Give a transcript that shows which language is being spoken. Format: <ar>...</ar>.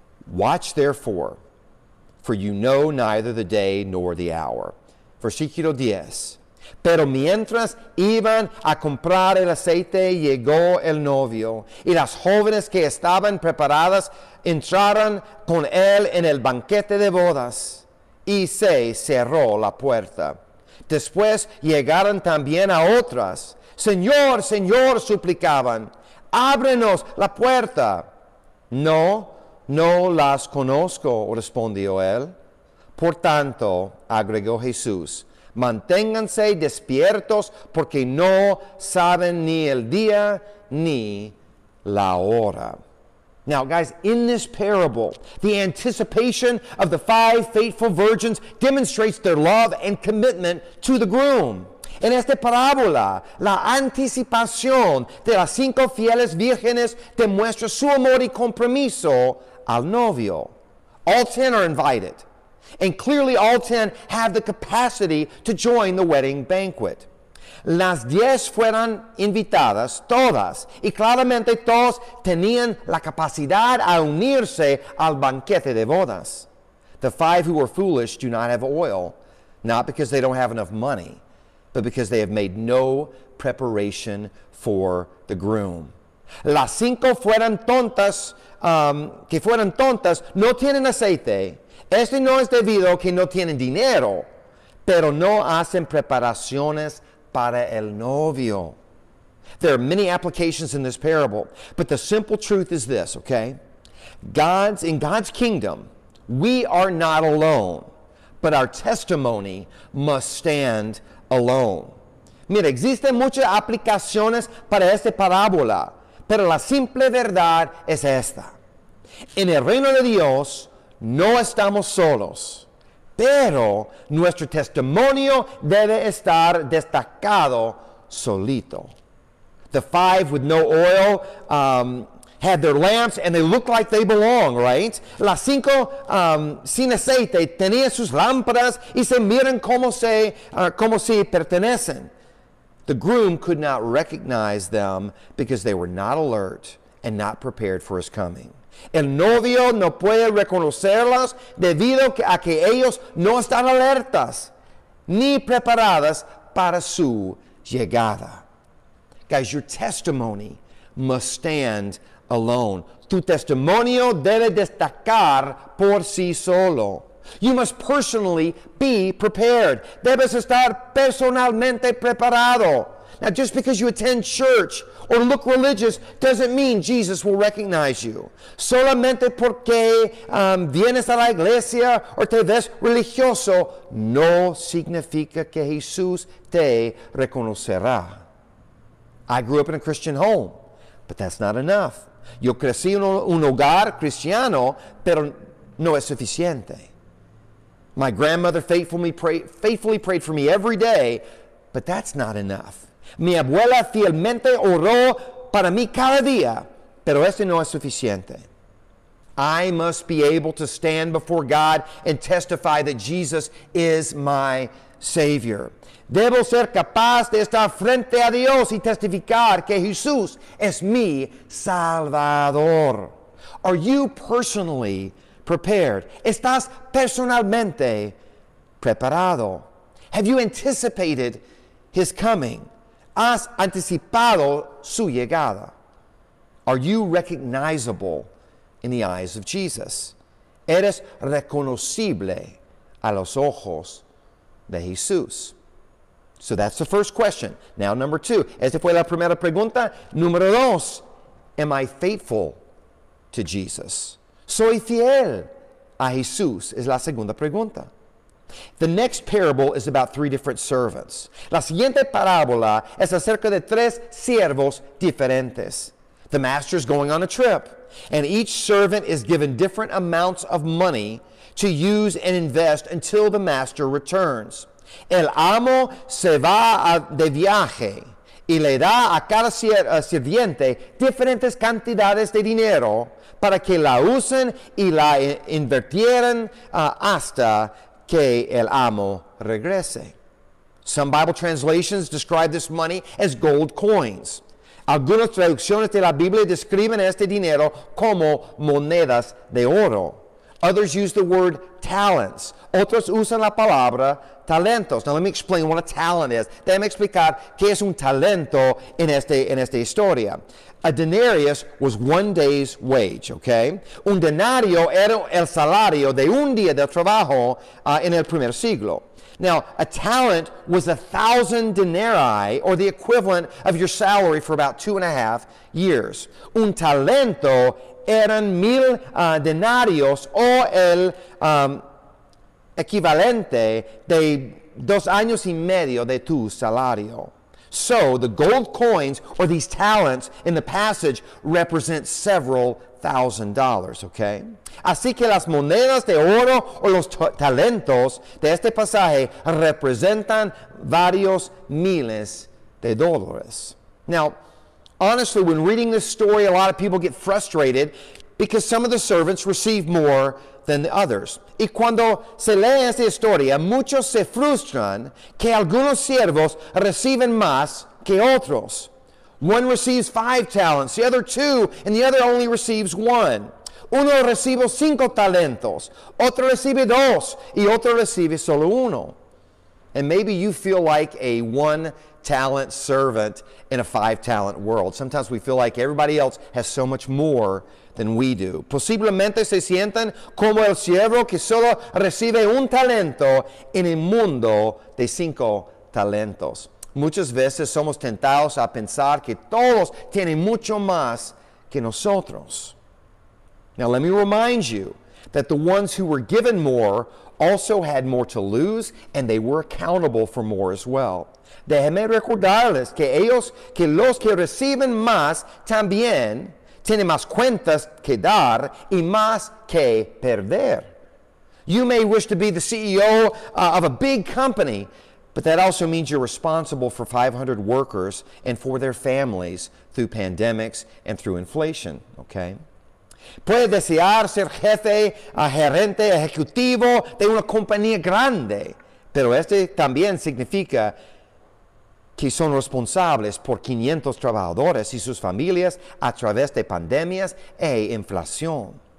<en>Watch therefore, for you know neither the day nor the hour.'"</en> <es>Versículo 10. "Pero mientras iban a comprar el aceite, llegó el novio, y las jóvenes que estaban preparadas entraron con él en el banquete de bodas, y se cerró la puerta. Después llegaron también a otras. 'Señor, Señor,' suplicaban, 'ábrenos la puerta.' 'No, no las conozco,' respondió él. Por tanto, agregó Jesús, 'manténganse despiertos porque no saben ni el día ni la hora.'"</es> <en>Now, guys, in this parable, the anticipation of the five faithful virgins demonstrates their love and commitment to the groom.</en> <es>En esta parábola, la anticipación de las cinco fieles vírgenes demuestra su amor y compromiso al novio.</es> <en>All 10 are invited, and clearly all 10 have the capacity to join the wedding banquet.</en> <es>Las 10 fueron invitadas todas, y claramente todos tenían la capacidad a unirse al banquete de bodas.</es> <en>The five who were foolish do not have oil, not because they don't have enough money, but because they have made no preparation for the groom.</en> <es>Las cinco fueron tontas, que fueron tontas, no tienen aceite. Este no es debido a que no tienen dinero, pero no hacen preparaciones para el novio.</es> <en>There are many applications in this parable, but the simple truth is this, okay? In God's kingdom, we are not alone, but our testimony must stand alone.</en> <es>Mira, existen muchas aplicaciones para esta parábola, pero la simple verdad es esta. En el reino de Dios, no estamos solos, pero nuestro testimonio debe estar destacado solito.</es> <en>The five with no oil had their lamps and they looked like they belong, right?</en> <es>Las cinco sin aceite tenían sus lámparas y se miran como si pertenecen.</es> <en>The groom could not recognize them because they were not alert and not prepared for his coming.</en> <es>El novio no puede reconocerlas debido a que ellos no están alertas ni preparadas para su llegada.</es> <en>Guys, your testimony must stand alone.</en> <es>Tu testimonio debe destacar por sí solo.</es> <en>You must personally be prepared.</en> <es>Debes estar personalmente preparado.</es> <en>Now, just because you attend church or look religious doesn't mean Jesus will recognize you.</en> <es>Solamente porque vienes a la iglesia o te ves religioso no significa que Jesús te reconocerá.</es> <en>I grew up in a Christian home, but that's not enough.</en> <es>Yo crecí en un hogar cristiano, pero no es suficiente.</es> <en>My grandmother faithfully prayed for me every day, but that's not enough.</en> <es>Mi abuela fielmente oró para mí cada día, Pero este no es suficiente.</es> <en>I must be able to stand before God and testify that Jesus is my Savior.</en> <es>Debo ser capaz de estar frente a Dios y testificar que Jesús es mi Salvador.</es> <en>Are you personally prepared?</en> <es>¿Estás personalmente preparado?</es> <en>Have you anticipated His coming?</en> <es>¿Has anticipado su llegada?</es> <en>Are you recognizable in the eyes of Jesus?</en> <es>¿Eres reconocible a los ojos de Jesús?</es> <en>So that's the first question. Now, number two.</en> <es>Esta fue la primera pregunta. Número dos.</es> <en>Am I faithful to Jesus?</en> <es>¿Soy fiel a Jesús? Es la segunda pregunta.</es> <en>The next parable is about three different servants.</en> <es>La siguiente parábola es acerca de tres siervos diferentes.</es> <en>The master is going on a trip, and each servant is given different amounts of money to use and invest until the master returns.</en> <es>El amo se va de viaje y le da a cada sirviente diferentes cantidades de dinero para que la usen y la invirtieran hasta que el amo regrese.</es> <en>Some Bible translations describe this money as gold coins.</en> <es>Algunas traducciones de la Biblia describen este dinero como monedas de oro.</es> <en>Others use the word talents.</en> <es>Otros usan la palabra talentos.</es> <en>Now let me explain what a talent is.</en> <es>Déjame explicar qué es un talento en esta historia.</es> <en>A denarius was one day's wage, okay?</en> <es>Un denario era el salario de un día de trabajo en el primer siglo.</es> <en>Now, a talent was 1,000 denarii, or the equivalent of your salary for about 2.5 years.</en> <es>Un talento eran 1,000 denarios, o el equivalente de 2 años y medio de tu salario.</es> <en>So, the gold coins, or these talents, in the passage, represent several $1,000, okay?</en> <es>Así que las monedas de oro o los talentos de este pasaje representan varios miles de dólares.</es> <en>Now, honestly, when reading this story, a lot of people get frustrated because some of the servants receive more than the others.</en> <es>Y cuando se lee esta historia, muchos se frustran que algunos siervos reciben más que otros.</es> <en>One receives 5 talents, the other 2, and the other only receives 1.</en> <es>Uno recibe 5 talentos, otro recibe 2, y otro recibe solo 1.</es> <en>And maybe you feel like a 1-talent servant in a 5-talent world. Sometimes we feel like everybody else has so much more than we do.</en> <es>Posiblemente se sientan como el siervo que solo recibe 1 talento en el mundo de 5 talentos. Muchas veces somos tentados a pensar que todos tienen mucho más que nosotros.</es> <en>Now let me remind you that the ones who were given more also had more to lose, and they were accountable for more as well.</en> <es>Déjeme recordarles que ellos, que los que reciben más también tienen más cuentas que dar y más que perder.</es> <en>You may wish to be the CEO of a big company, but that also means you're responsible for 500 workers and for their families through pandemics and through inflation, okay?</en> <es>Puede desear ser jefe, gerente, ejecutivo de una compañía grande, pero este también significa que son responsables por 500 trabajadores y sus familias a través de pandemias e inflación.</es>